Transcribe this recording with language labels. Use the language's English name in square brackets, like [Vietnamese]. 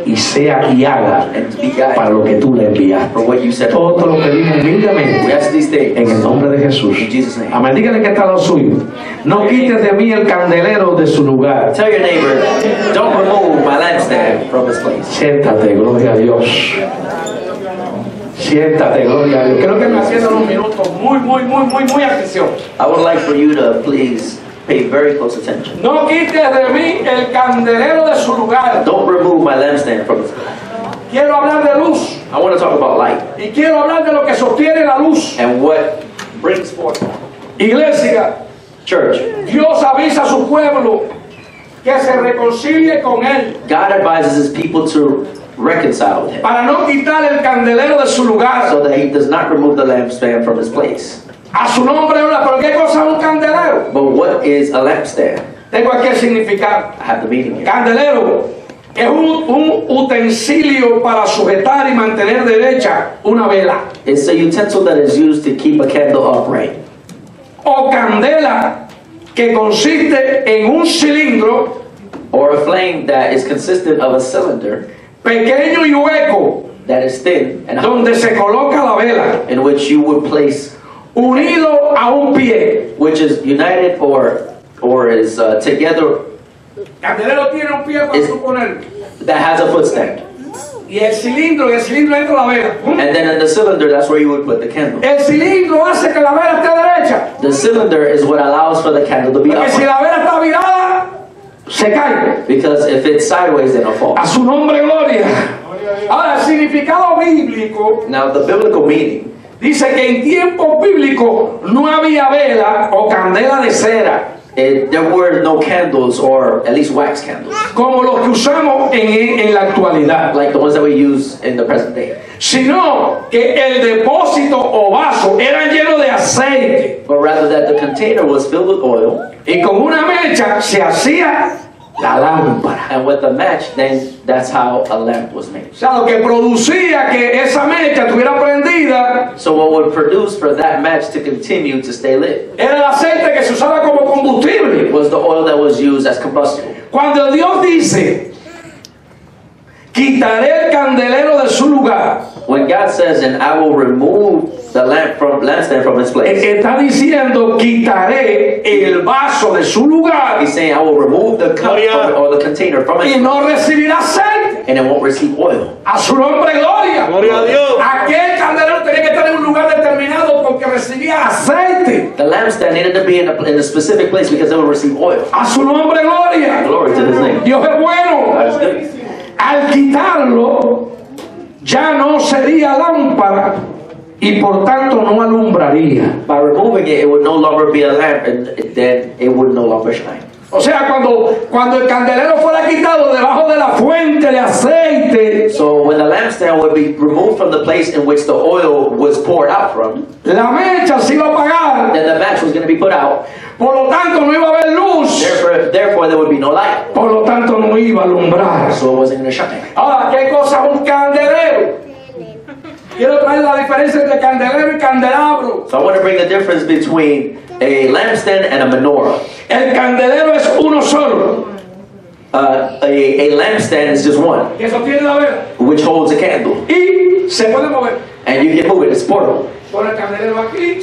[Spanish] y sea guiada para lo que tú le enviaste. [English] For what you said. [Spanish] Todo lo pedimos humildemente. [English] We ask these things [Spanish] en el nombre de Jesús. [English] In Jesus' name. [Spanish] Amén. Dígale que está lo suyo. No quites de mí el candelero de su lugar. [English] Tell your neighbor, don't remove my lampstand from his place. [Spanish] Siéntate, gloria a Dios. Siéntate, gloria a Dios. Creo que me haciendo unos minutos muy atención. [English] I would like for you to please pay very close attention. [Spanish] No quites de mí el candelero de su lugar. [English] Don't remove my lampstand from his place. [Spanish] Quiero hablar de luz. [English] I want to talk about light. [Spanish] Y quiero hablar de lo que sostiene la luz. [English] And what brings forth. [Spanish] Iglesia. [English] Church. [Spanish] Dios avisa a su pueblo que se reconcilie con él. [English] God advises his people to reconcile with him. [Spanish] Para no quitar el candelero de su lugar. [English] So that he does not remove the lampstand from his place. [Spanish] A su nombre, pero ¿qué cosa es un candelero? [English] But what is a lampstand? [Spanish] Tengo aquí el significado. [English] I have the meaning here. [Spanish] Candelero es un utensilio para sujetar y mantener derecha una vela. [English] It's a utensil that is used to keep a candle upright. [Spanish] O candela, que consiste en un cilindro. [English] Or a flame that is consistent of a cylinder. [Spanish] Pequeño y hueco. [English] That is thin. And [Spanish] donde se coloca la vela. [English] In which you would place. [Spanish] Unido a un pie, [English] which is united or is together. [Spanish] Candelero tiene un pie para suponer. [English] That has a footstand. [Spanish] Y el cilindro entra la vela. [English] And then in the cylinder, that's where you would put the candle. [Spanish] El cilindro hace que la vela esté derecha. [English] The cylinder is what allows for the candle to be upright. [Spanish] Porque si la vela está virada, se cae. [English] Because if it's sideways, then it'll fall. [Spanish] A su nombre, gloria. Ahora, el significado bíblico. [English] Now, the biblical meaning. [Spanish] Dice que en tiempo bíblico no había vela o candela de cera. [English] There were no candles or at least wax candles. [Spanish] Como los que usamos en la actualidad. [English] Like the ones that we use in the present day. [Spanish] Sino que el depósito o vaso era lleno de aceite. [English] But rather that the container was filled with oil. [Spanish] Y con una mecha se hacía la lámpara. [English] And with a match, then that's how a lamp was made. [Spanish] O sea, lo que producía que esa mecha estuviera prendida. [English] So what would produce for that match to continue to stay lit? [Spanish] Era el aceite que se usaba como combustible. [English] It was the oil that was used as combustible. [Spanish] Cuando Dios dice, quitaré el candelero de su lugar. [English] When God says, and I will remove the lamp from lampstand from its place. [Spanish] Está diciendo, quitaré el vaso de su lugar. [English] He's saying, I will remove the cup or the container from its place. [Spanish] Y no recibirá aceite. [English] And it won't receive oil. [Spanish] A su nombre, gloria. Gloria a Dios. Aquel candelero tenía que estar en un lugar determinado porque recibía aceite. [English] The lampstand needed to be in a specific place because it will receive oil. [Spanish] A su nombre, gloria. [English] Glory to his name. [Spanish] Dios es bueno. Al quitarlo, ya no sería lámpara y por tanto no alumbraría. [English] By removing it, it would no longer be a lamp, and then it would no longer shine. [Spanish] O sea, cuando el candelero fuera quitado debajo de la fuente de aceite. [English] So when the lampstand would be removed from the place in which the oil was poured out from. [Spanish] La mecha se iba a apagar. [English] Then the match was going to be put out. [Spanish] Por lo tanto, no iba a haber luz. [English] Therefore, there would be no light. [Spanish] Por lo tanto, no iba a alumbrar. [English] So it wasn't going to shine. [Spanish] Ahora, ¿qué cosa es un candelero? Quiero traer la diferencia entre candelero y candelabro. [English] So I want to bring the difference between a lampstand and a menorah. [Spanish] El candelero es uno solo. [English] A lampstand is just one. [Spanish] Y eso tiene la vela. [English] Which holds a candle. [Spanish] Y se puede mover. [English] And you can move it. It's portable. [Spanish] Pon el candelero aquí.